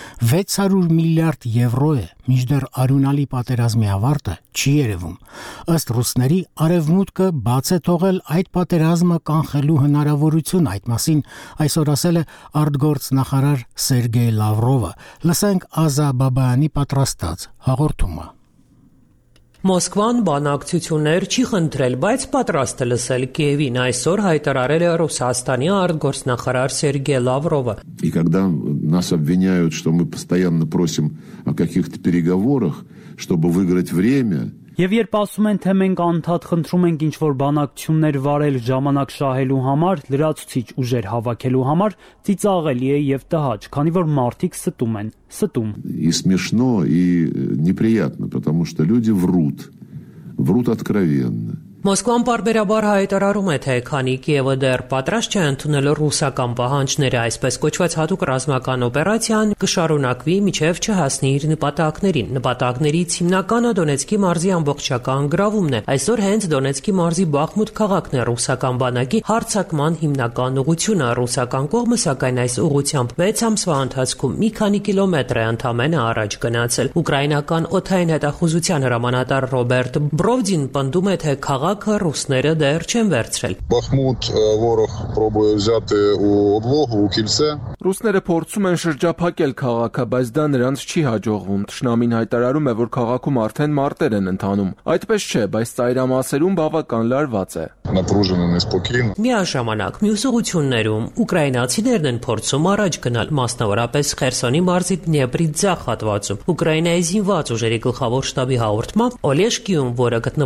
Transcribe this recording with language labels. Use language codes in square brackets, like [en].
[hy] 600 միլիարդ եվրո է, մինչդեռ արյունալի պատերազմի ավարտը չի երևում։ Ըստ ռուսների, արևմուտքը բաց է թողել այդ պատերազմը կանխելու հնարավորություն, այդ մասին այսօր ասել է արտգործ նախարար Սերգեյ Լավրովը։ Լսենք Ազա Բաբայանի պատրաստած հաղորդումը։ Մոսկվան բանակցություններ չի խնդրել, բայց պատրաստ է լսել Կիևին, այսօր հայտարարել է Ռուսաստանի արտգործնախարար Սերգե Լավրովը։ [ru] И когда нас обвиняют, что мы постоянно просим о каких-то переговорах, чтобы выиграть время, [hy] Եվ երբ ասում են, թե մենք անդադ խնդրում ենք ինչ-որ բանակցություններ վարել ժամանակ շահելու համար, լրացուցիչ ուժեր հավաքելու համար, ծիծաղելի է եւ տհաճ, քանի որ մարդիկ ստում են, ստում։ [ru] И смешно, и неприятно, потому что люди врут, врут откровенно. [hy] Մոսկվան պարբերաբար հայտարարում է, թե քանի Կիևը դեռ պատրաստ չէ ընդունել ռուսական պահանջները, այսպես կոչված հատուկ ռազմական օպերացիան կշարունակվի, մինչև չհասնի իր նպատակներին։ Նպատակներից հիմնականը Դոնեցկի մարզի ամբողջական գրավումն է։ Այսօր հենց Դոնեցկի մարզի Բախմուտ քաղաքն է ռուսական բանակի հարձակման հիմնական ուղղությունը։ Ռուսական կողմը, սակայն, այս ուղղությամբ 6 ամսվա ընթացքում մի քանի կիլոմետր է ընդամենը առաջ գնացել։ Ուկրաինական օթային հետախուզության հրամանատար Ռոբերտ Բրովդին պնդում է, թե Քաղաքը ռուսները դեռ չեն վերցրել։ [uk] Բախմուտ ворог пробує взяти у облогу у кільце։ [hy] Ռուսները փորձում են շրջափակել քաղաքը, բայց դա նրանց չի հաջողվում։ Թշնամին հայտարարում է, որ քաղաքում արդեն մարտեր են ընթանում։ Այդպես չէ, բայց ծայրամասերում բավական լարված է։ [uk] Напружено, неспокійно։ [hy] Միաժամանակ մյուս ուղություններում ուկրաինացիներն են փորձում առաջ գնալ, մասնավորապես Խերսոնի մարզի Դնեպրի ձախ հատվածում։ Ուկրաինայի զինված ուժերի գլխավոր շտաբի հաղորդմամբ Օլեշկիում, որը